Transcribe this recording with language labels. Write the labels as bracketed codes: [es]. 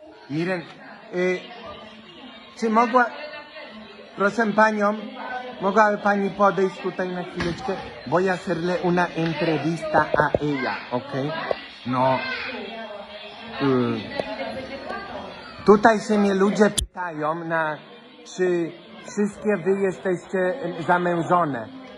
[es] Miren, [pl] czy mogła, proszę panią, mogła pani podejść tutaj na chwileczkę? [es] Voy a hacerle una entrevista a ella, ok? [pl] No. Tutaj się mnie ludzie pytają, na czy wszystkie wy jesteście zamężone.